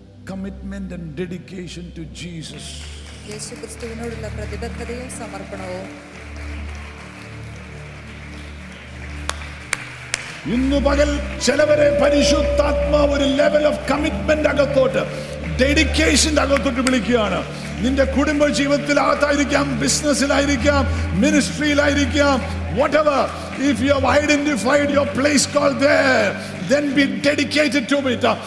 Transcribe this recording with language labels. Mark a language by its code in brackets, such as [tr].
[en] Commitment and dedication to Jesus. [ml] യേശു ക്രിസ്തുവിനോടുള്ള പ്രതിബദ്ധതയും സമർപ്പണവും. ഇന്ന് പകൽ ചിലവരെ പരിശുദ്ധാത്മാവ് ഒരു [en] level of commitment [ml] അകത്തോട്ട്, ഡെഡിക്കേഷന്റെ അകത്തോട്ട് വിളിക്കുകയാണ്. നിന്റെ കുടുംബ ജീവിതത്തിലകത്തായിരിക്കാം, ബിസിനസ്സിലായിരിക്കാം, മിനിസ്ട്രിയിലായിരിക്കാം, whatever. [en] If you have identified your place called there, then be dedicated to it.